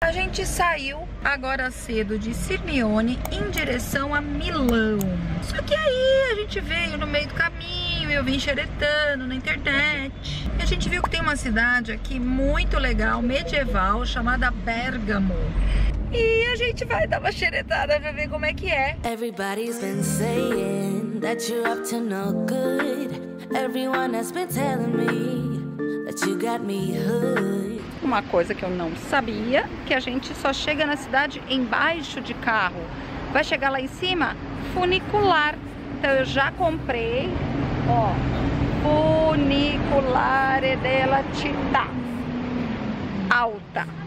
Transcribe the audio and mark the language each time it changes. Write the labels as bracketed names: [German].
[Portuguese] A gente saiu agora cedo de Sirmione em direção a Milão. Só que aí a gente veio no meio do caminho, eu vim xeretando na internet. E a gente viu que tem uma cidade aqui muito legal, medieval, chamada Bérgamo. E a gente vai dar uma xeretada pra ver como é que é. [English] Everybody's been saying that you're up to no good. Everyone has been telling me that you got me hooked. [Portuguese] Uma coisa que eu não sabia, que a gente só chega na cidade embaixo de carro. Vai chegar lá em cima? Funicular. Então eu já comprei, ó, funiculare della città, Alta.